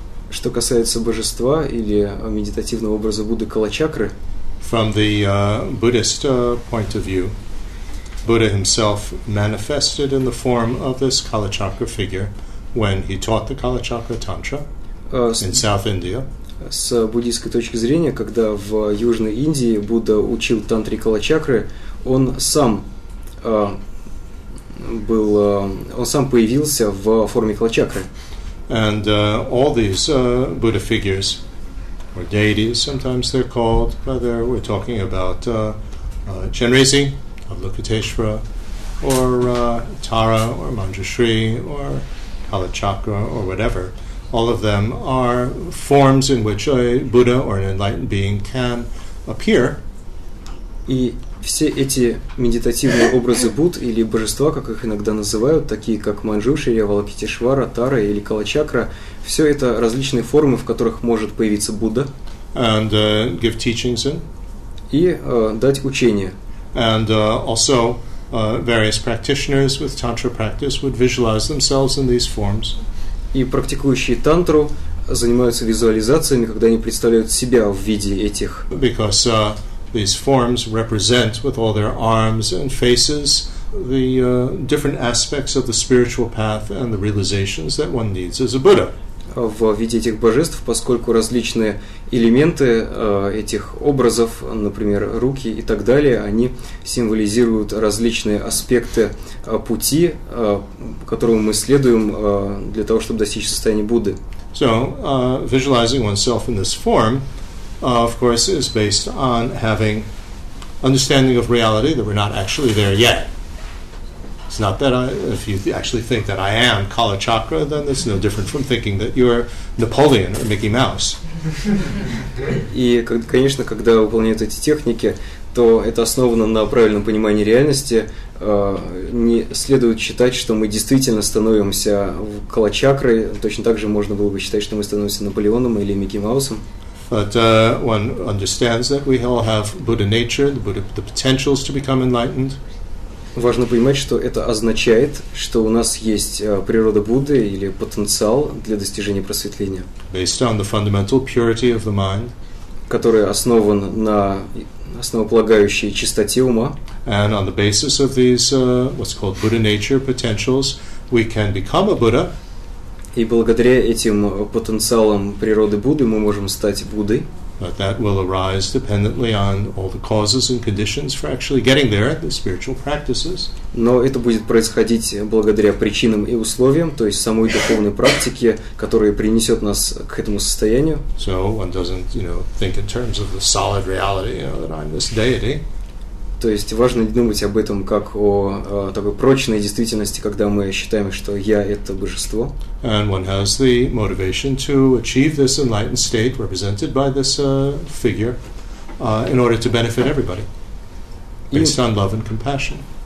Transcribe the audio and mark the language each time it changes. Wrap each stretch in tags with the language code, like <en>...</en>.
<ru>Что касается божества или медитативного образа Будды Калачакры?</ru> <en>From the Buddhist point of view, Buddha himself manifested in the form of this Kalachakra figure when he taught the Kalachakra Tantra in South India.</en> <ru>С буддийской точки зрения, когда в Южной Индии Будда учил тантре Калачакры, он сам был, он сам появился в форме Калачакры.</ru> <en>And all these Buddha figures, or deities, sometimes they're called, whether we're talking about Chenrezi, of Lukiteshvara, or Tara, or Manjushri, or Kalachakra, or whatever, all of them are forms in which a Buddha or an enlightened being can appear.</en> <ru>И все эти медитативные образы Будд или божества, как их иногда называют, такие как Манджушри, Авалокитешвара, Тара или Калачакра, все это различные формы, в которых может появиться Будда.</ru> <en>And give teachings in.</en> <ru>И дать учение.</ru> <en>And also various practitioners with tantra practice would visualize themselves in these forms.</en> <ru>И практикующие тантру занимаются визуализациями, когда они представляют себя в виде этих.</ru> <en>Because these forms represent, with all their arms and faces, the different aspects of the spiritual path and the realizations that one needs as a Buddha.</en> <ru>В виде этих божеств, поскольку различные элементы этих образов, например, руки и так далее, они символизируют различные аспекты пути, которому мы следуем для того, чтобы достичь состояния Будды.</ru> <en>So, visualizing oneself in this form, of course, is based on having understanding of reality that we're not actually there yet. It's not that if you actually think that I am Kalachakra, then it's no different from thinking that you're Napoleon or Mickey Mouse.</en> <ru>И, конечно, когда выполняют эти техники, то это основано на правильном понимании реальности. Не следует считать, что мы действительно становимся Калачакрой. Точно так же можно было бы считать, что мы становимся Наполеоном или Микки Маусом.</ru> <en>But one understands that we all have Buddha nature, the potentials to become enlightened.</en> <ru>Важно понимать, что это означает, что у нас есть природа Будды или потенциал для достижения просветления.</ru> <en>Based on the fundamental purity of the mind,</en> <ru>который основан на основополагающей чистоте ума.</ru> <en>And on the basis of these what's called Buddha nature potentials, we can become a Buddha.</en> <ru>И благодаря этим потенциалам природы Будды мы можем стать Буддой.</ru> <en>But that will arise dependently on all the causes and conditions for actually getting there, the spiritual practices.</en> <ru>Но это будет происходить благодаря причинам и условиям, то есть самой духовной практике, которая принесет нас к этому состоянию.</ru> <en>So one doesn't, you know, think in terms of the solid reality, you know, that I'm this deity.</en> <ru>То есть важно не думать об этом как о такой прочной действительности, когда мы считаем, что я — это божество.</ru> <en>And one has the motivation to achieve this enlightened state represented by this figure in order to benefit everybody based on love and compassion.</en>